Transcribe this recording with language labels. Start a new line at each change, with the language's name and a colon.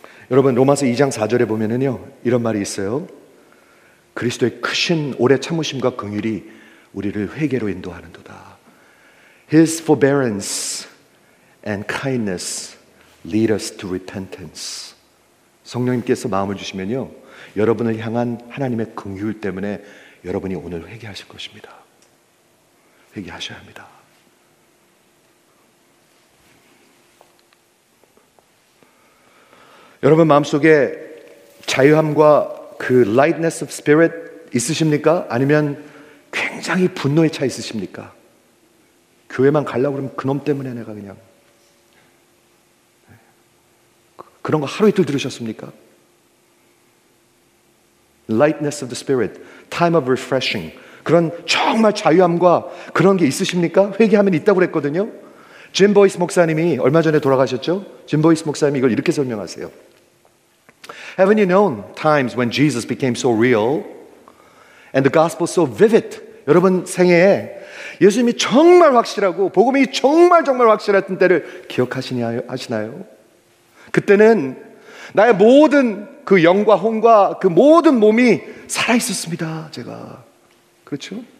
Korean: 여러분, 로마서 2장 4절에 보면은요 이런 말이 있어요. 그리스도의 크신 오래 참으심과 긍휼이 우리를 회개로 인도하는도다.
English: His forbearance and kindness lead us to repentance.
Korean: 성령님께서 마음을 주시면요 여러분을 향한 하나님의 긍휼 때문에 여러분이 오늘 회개하실 것입니다. 회개하셔야 합니다. 여러분 마음속에 자유함과 그
English: lightness of spirit
Korean: 있으십니까? 아니면 굉장히 분노에 차 있으십니까? 교회만 가려고 그러면 그놈 때문에 내가 그냥 그런 거 하루 이틀 들으셨습니까?
English: lightness of the spirit, time of refreshing.
Korean: 그런 정말 자유함과 그런 게 있으십니까? 회개하면 있다고 그랬거든요. 짐 보이스 목사님이 얼마 전에 돌아가셨죠? 짐 보이스 목사님이 이걸 이렇게 설명하세요.
English: Haven't you known times when Jesus became so real and the gospel so vivid?
Korean: 여러분 생애에 예수님이 정말 확실하고 복음이 정말 정말 확실했던 때를 기억하시나요? 그때는 나의 모든 그 영과 혼과 그 모든 몸이 살아있었습니다. 제가. 그렇죠?